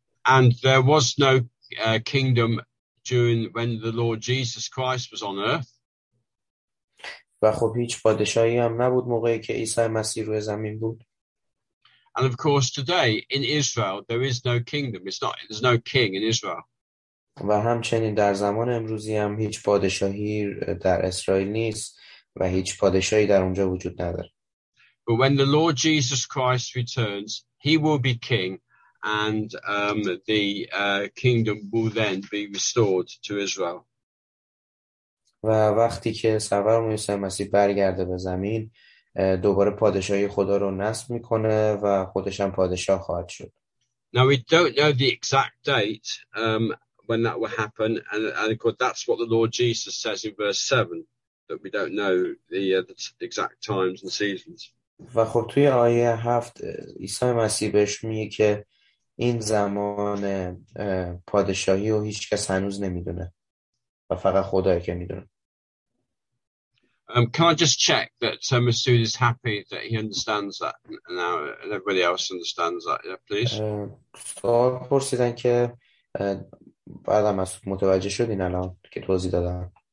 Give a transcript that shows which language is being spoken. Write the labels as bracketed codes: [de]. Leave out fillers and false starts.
[en] And there was no kingdom during when the Lord Jesus Christ was on earth. [fa] و خب هیچ پادشاهی هم نبود موقعی که عیسی مسیح روی زمین بود. [en] And of course today in Israel there is no kingdom. There's no king in Israel. [fa] و همچنین در زمان امروزی هم هیچ پادشاهی در اسرائیل نیست و هیچ پادشاهی در اونجا وجود نداره. [en] But when the Lord Jesus Christ returns, he will be king, and the kingdom will then be restored to Israel. [fa] و وقتی که سرور عیسی مسیح برگرده به زمین دوباره پادشاهی خدا رو نصب میکنه و خودش هم پادشاه خواهد شد. [en] Now we don't know the exact date when that will happen, and of course that's what the Lord Jesus says in verse 7, that we don't know the exact times and seasons. [fa] و خب توی آیه 7 عیسی مسیح بهش میگه که این زمان پادشاهی رو هیچ کس هنوز نمیدونه و فقط خدایی که میدونه. [en] Can I just check that Masood is happy that he understands that now and everybody else understands that, yeah, please? [fa] سوال پرسیدن که بعد مسعود متوجه شدین الان که توضیح دادم.